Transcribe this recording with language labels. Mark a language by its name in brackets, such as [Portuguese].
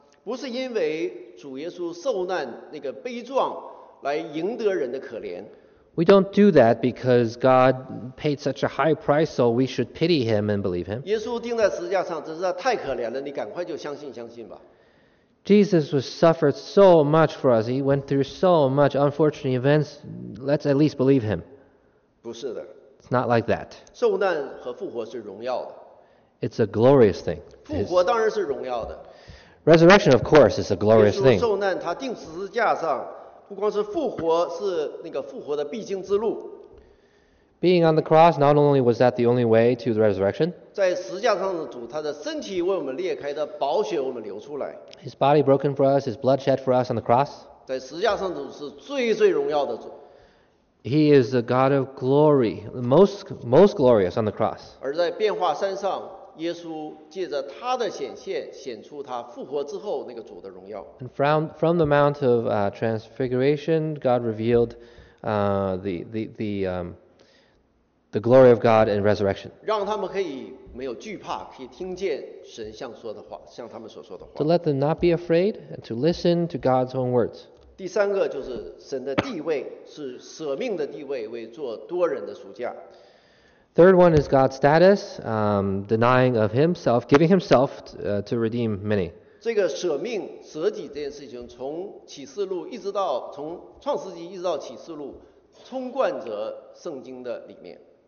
[Chinese] 不是因为主耶稣受难那个悲壮来赢得人的可怜, [English] we don't do that because God paid such a high price, so we should pity him and believe him. [Chinese] 耶稣钉在十字架上真是太可怜了，你赶快就相信相信吧。 [English] Jesus was suffered so much for us. He went through so much unfortunate events. Let's at least believe him. [Chinese] 不是的。 [English] It's not like that. [Chinese] 受难和复活是荣耀的。 [English] It's a glorious thing. [Chinese] 复活当然是荣耀的。 [English] Resurrection, of course, is a glorious thing. [Chinese] 耶稣受难，他钉十字架上，不光是复活，是那个复活的必经之路。 [English] Being on the cross, not only was that the only way to the resurrection. [Chinese] 在十字架上的主，他的身体为我们裂开，他宝血为我们流出来。 [English] His body broken for us, his blood shed for us on the cross. [Chinese] 在十字架上的主是最最荣耀的主。 [English] He is the God of glory, most glorious on the cross. [Chinese] 而在变化山上，耶稣借着他的显现，显出他复活之后那个主的荣耀。 [English] And from the Mount of Transfiguration, God revealed the glory of God and resurrection. [Chinese] 让他们可以没有惧怕，可以听见神像说的话，像他们所说的话。 [English] To let them not be afraid and to listen to God's own words. [Chinese] 第三个就是神的地位，是舍命的地位，为做多人的赎价。 [English] Third one is God's status, denying of himself, giving himself to redeem many. [Chinese] 这个舍命、舍己这件事情，从启示录一直到从创世纪一直到启示录，充贯着圣经的里面。